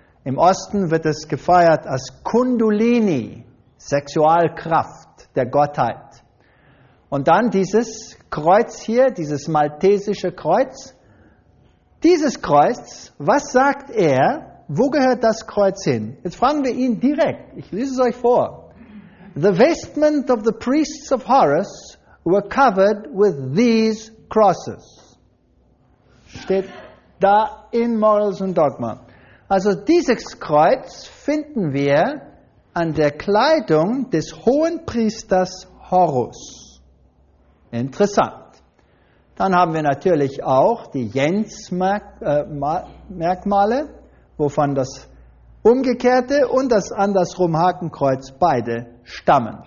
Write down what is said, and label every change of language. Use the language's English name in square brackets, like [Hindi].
[German] Im Osten wird es gefeiert als Kundalini, Sexualkraft der Gottheit. Und dann dieses Kreuz hier, dieses maltesische Kreuz. Dieses Kreuz, was sagt er? Wo gehört das Kreuz hin? Jetzt fragen wir ihn direkt. Ich lese es euch vor. [English] The vestment of the priests of Horus were covered with these crosses. [German] Steht da in Morals and Dogma. Also dieses Kreuz finden wir an der Kleidung des hohen Priesters Horus. Interessant. Dann haben wir natürlich auch die Jens-Merkmale, wovon das umgekehrte und das andersrum Hakenkreuz beide stammen.